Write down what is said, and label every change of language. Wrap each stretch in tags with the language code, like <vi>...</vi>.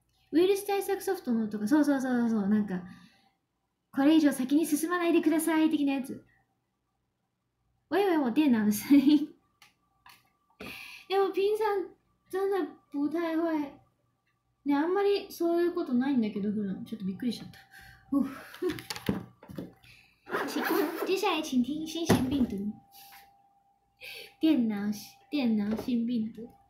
<ja>ウイルス対策ソフトのとか、そうそうそうそう、なんかこれ以上先に進まないでください的なやつ。</ja> <zh>我以为我电脑的声音。哎，我平常真的不太会。</zh> <ja>ね、あんまりそういうことないんだけど、ちょっとびっくりしちゃった。</ja> <zh>接下来请听新型病毒。电脑新病毒。</zh>